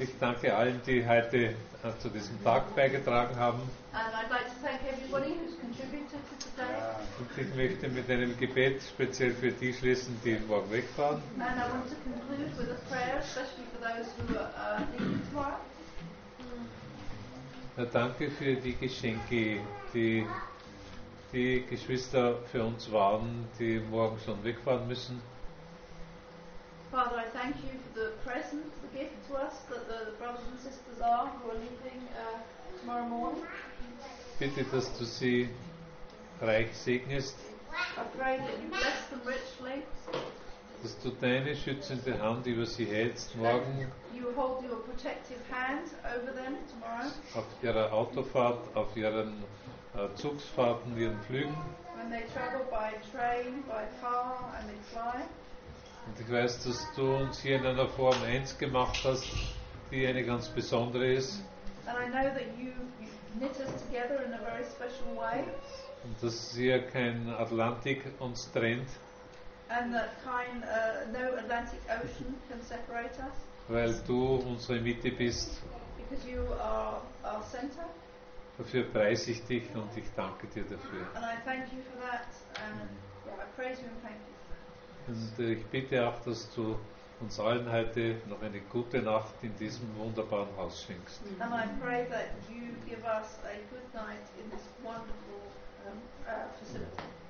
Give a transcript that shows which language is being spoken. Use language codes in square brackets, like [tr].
[de] Ich danke allen, die heute zu diesem Tag beigetragen haben. [en] And I'd like to thank everybody who's contributed to today. [de] Und ich möchte mit einem Gebet speziell für die schließen, die morgen wegfahren. [en] And I want to conclude with a prayer, especially for those who are leaving tomorrow. [de] Ja, danke für die Geschenke, die die Geschwister für uns waren, die morgen schon wegfahren müssen. [en] Father, I thank you for the present, the gift to us, that the brothers and sisters are, who are leaving tomorrow morning. [de] Bitte, dass du sie reich segnest. [en] I pray that you bless them richly. [de] Dass du deine schützende Hand über sie hältst morgen. [en] You hold your protective hand over them tomorrow. [de] Auf ihrer Autofahrt, auf ihren Zugsfahrten, ihren Flügen. [en] When they travel by train, by car, and they fly. [de] Und ich weiß, dass du uns hier in einer Form eins gemacht hast, die eine ganz besondere ist. [en] And I know that you knit us together in a very special way. [de] Und dass hier kein Atlantik uns trennt. [en] And that kind, no Atlantic Ocean can separate us. [de] Weil du unsere Mitte bist. [en] Because you are our center. [de] Dafür preise ich dich und ich danke dir dafür. [en] And I thank you for that. I praise you and thank you. [de] Und ich bitte auch, dass du uns allen heute noch eine gute Nacht in diesem wunderbaren Haus schenkst. [en] And I pray that you give us a good night in this wonderful facility.